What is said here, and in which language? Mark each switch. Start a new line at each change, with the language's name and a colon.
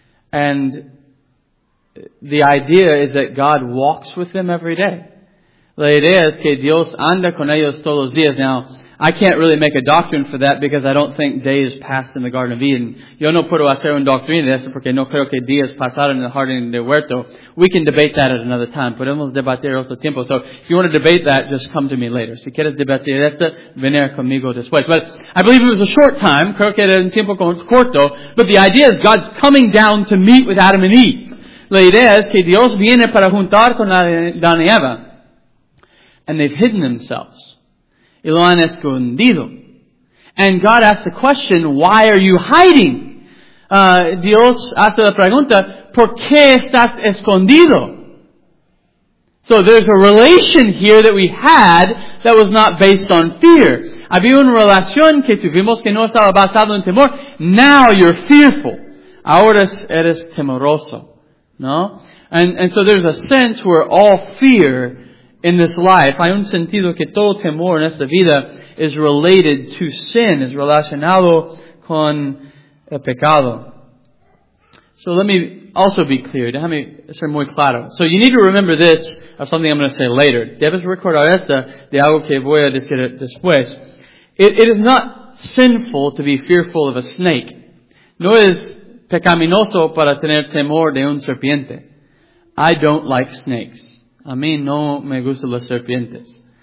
English: And the idea is that God walks with them every day.
Spanish: La idea es que Dios anda con ellos todos los días.
English: Now, I can't really make a doctrine for that because I don't think days passed in the Garden of Eden.
Spanish: Yo no puedo hacer una doctrina de eso porque no creo que días pasaron en el jardín de huerto.
English: We can debate that at another time.
Spanish: Podemos debatir otro tiempo.
English: So, if you want to debate that, just come to me later.
Spanish: Si quieres debatir esto, venir conmigo después.
English: But I believe it was a short time.
Spanish: Creo que era un tiempo corto.
English: But the idea is God's coming down to meet with Adam and Eve.
Spanish: La idea es que Dios viene para juntar con Adán y Eva.
English: And they've hidden themselves.
Spanish: Y lo han escondido.
English: And God asks the question, why are you hiding?
Spanish: Dios hace la pregunta, ¿por qué estás escondido?
English: So there's a relation here that we had that was not based on fear.
Spanish: Había una relación que tuvimos que no estaba basado en temor.
English: Now you're fearful.
Spanish: Ahora eres temeroso. No?
English: And so there's a sense where all fear in this life,
Spanish: hay un sentido que todo temor en esta vida
English: is related to sin, is
Spanish: relacionado con el pecado.
English: So let me also be clear.
Spanish: Déjame ser muy claro.
English: So you need to remember this of something I'm going to say later.
Spanish: Debes recordar esta de algo que voy a decir después.
English: It is not sinful to be fearful of a snake.
Spanish: No es pecaminoso para tener temor de un serpiente.
English: I don't like snakes.
Spanish: A mí no me gustan las serpientes.